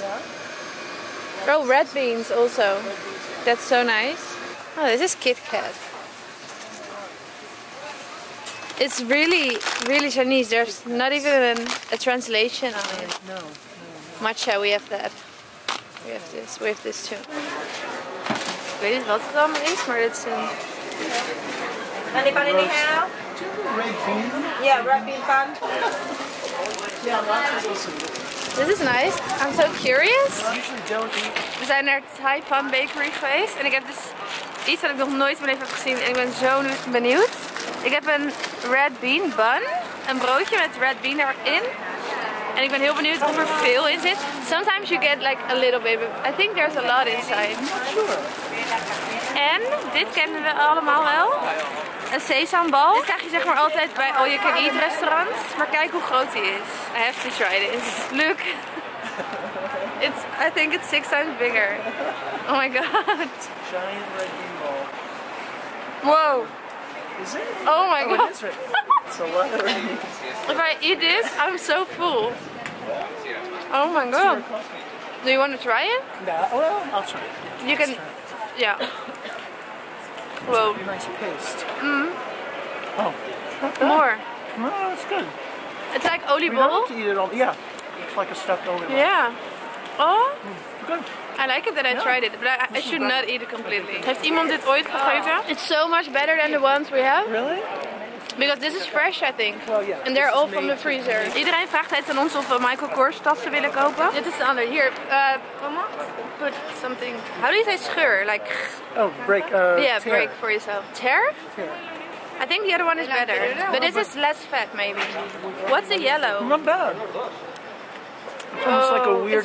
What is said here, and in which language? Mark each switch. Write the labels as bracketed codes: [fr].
[en] Yeah. Oh, red beans also. That's so nice. Oh, this is Kit Kat. It's really, really Chinese. There's not even a translation on it. No. Matcha, we have that. We have this too. [nl] Ik weet niet wat het allemaal is, maar dit is een... [en] Any pan in the house? Red bean pan. Yeah. This is nice. I'm so curious. We [nl] zijn naar Taipan Bakery geweest en ik heb dus iets dat ik nog nooit in mijn leven heb gezien en ik ben zo benieuwd. Ik heb een red bean bun, een broodje met red bean erin. En ik ben heel benieuwd hoe er veel in zit. [en] Sometimes you get like a little bit, but I think there's a lot inside. Sure. [nl] En dit kennen we allemaal wel. Een sesambal. Dit krijg je zeg maar altijd bij all you can eat restaurants. Maar kijk hoe groot die is. [en] I have to try this. Look. I think it's 6 times bigger. Oh my god. Giant red bean ball. Whoa. Is it? Oh my god. It is red. If I eat this, I'm so full. Oh my god. Do you want to try it? No, well, I'll try it. Yeah, you can... It. Yeah. It's well, a nice paste. Mm-hmm. Oh, more. No, it's good. It's like olive oil. Yeah, it's like a stuffed olive oil. Yeah. Oh. Good. I like it that I tried it, but I should not eat it completely. [nl] Heeft iemand dit ooit gegeten? [en] It's so much better than the ones we have. Really? Because this is fresh, I think. Well, yeah. And they're all from the freezer. [nl] Iedereen vraagt het aan ons of we Michael Kors tassen willen kopen. Dit is de andere. [en] Hier, mama, put something. How do you say scheur? Like... Oh, break. Yeah, tear. Break for yourself. Tear? Tear. I think the other one is better. But this is less fat, maybe. What's the yellow? Not bad. It's almost like a weird